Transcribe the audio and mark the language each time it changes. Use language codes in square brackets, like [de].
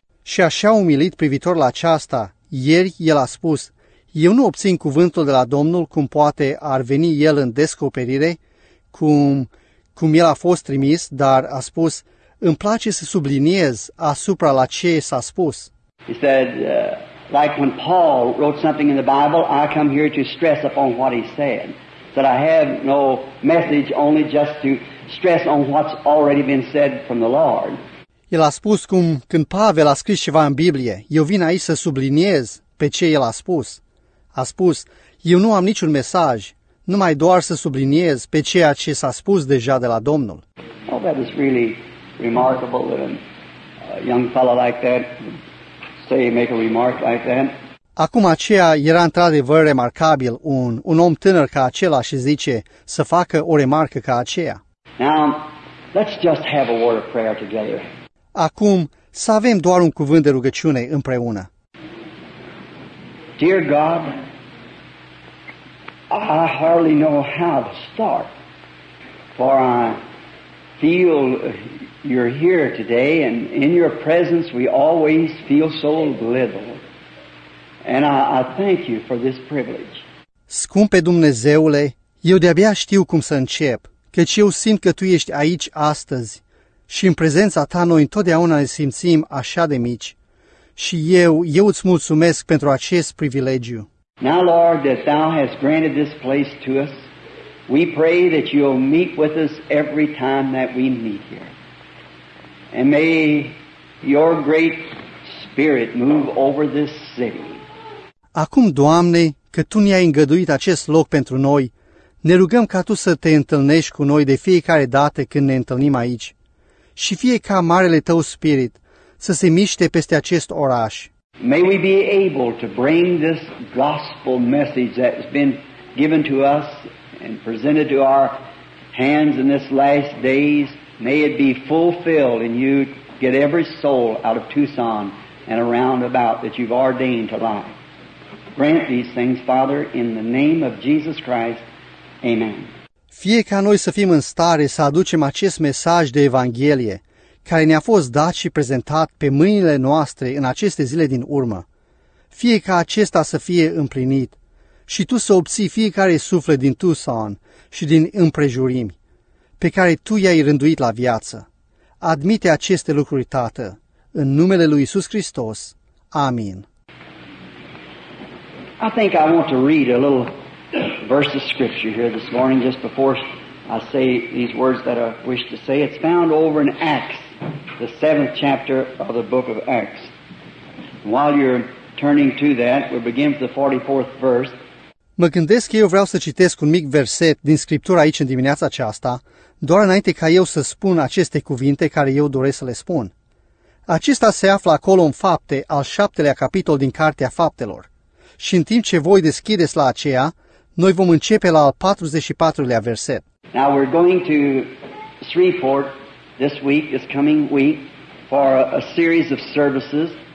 [ro] Și așa umilit privitor la aceasta, ieri el a spus, eu nu obțin cuvântul de la Domnul cum poate ar veni el în descoperire, cum el a fost trimis, dar a spus, îmi place să subliniez asupra la ce s-a spus. [en] He said, like when Paul wrote something in the Bible, I come here to stress upon what he said. That I have no message only just to stress on what's already been said from the Lord. [ro] El a spus cum când Pavel a scris ceva în Biblie, eu vin aici să subliniez pe ce el a spus. A spus, eu nu am niciun mesaj, numai doar să subliniez pe ceea ce s-a spus deja de la Domnul. [en] Oh, that is really remarkable that a young fellow like that say make a remark like that. [ro] Acum aceea era într-adevăr remarcabil un om tânăr ca acela și zice să facă o remarcă ca aceea. [en] Now, let's just have a word of prayer together. [ro] Acum, să avem doar un cuvânt de rugăciune împreună. [en] Dear God, I hardly know how to start, for I feel you're here today, and in your presence we always feel so little, and I thank you for this privilege. [ro] Scumpe Dumnezeule, eu de-abia știu cum să încep, căci eu simt că Tu ești aici astăzi. Și în prezența ta noi întotdeauna ne simțim așa de mici. Și eu îți mulțumesc pentru acest privilegiu. [en] Now, Lord, that Thou hast granted this place to us, we pray that You'll meet with us every time that we meet here. And may Your great Spirit move over this city. [ro] Acum, Doamne, că Tu ne-ai îngăduit acest loc pentru noi, ne rugăm ca Tu să Te întâlnești cu noi de fiecare dată când ne întâlnim aici. Și fie ca marele Tău Spirit să se miște peste acest oraș. [en] May we be able to bring this gospel message that has been given to us and presented to our hands in this last days, may it be fulfilled and you get every soul out of Tucson and around about that you've ordained to life. Grant these things, Father, in the name of Jesus Christ. Amen. [ro] Fie ca noi să fim în stare să aducem acest mesaj de Evanghelie, care ne-a fost dat și prezentat pe mâinile noastre în aceste zile din urmă, fie ca acesta să fie împlinit și Tu să obții fiecare suflet din Tucson și din împrejurimi, pe care Tu i-ai rânduit la viață. Admite aceste lucruri, Tată, în numele lui Iisus Hristos. Amin. [en] I think I want to read a little verse of scripture here this morning just before I say these words that I wish to say. It's found over in Acts, the 7th chapter of the book of Acts. And while you're turning to that, we'll begin with the 44th verse. [ro] Mă gândesc că eu vreau să citesc un mic verset din scriptura aici în dimineața aceasta, doar înainte ca eu să spun aceste cuvinte care eu doresc să le spun. Acesta se află acolo în Fapte, al 7-lea capitol din Cartea Faptelor. și în timp ce voi deschideți la aceea, noi vom începe la al 44-lea verset. [en] Now we're going to Shreveport this week, this coming week, for a series of services.